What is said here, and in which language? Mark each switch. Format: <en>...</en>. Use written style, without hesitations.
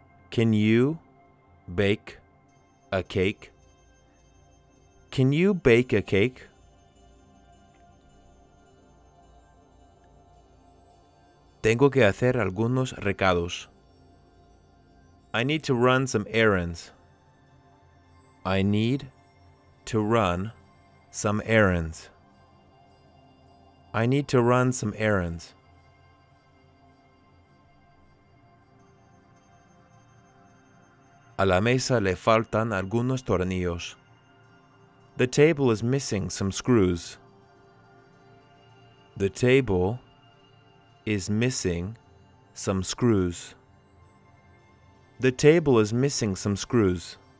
<en>Can you bake a cake? Can you bake a cake?</en> <es>Tengo que hacer algunos recados.</es> <en>I need to run some errands. I need to run some errands. I need to run some errands.</en> <es>A la mesa le faltan algunos tornillos.</es> <en>The table is missing some screws. The table is missing some screws. The table is missing some screws.</en>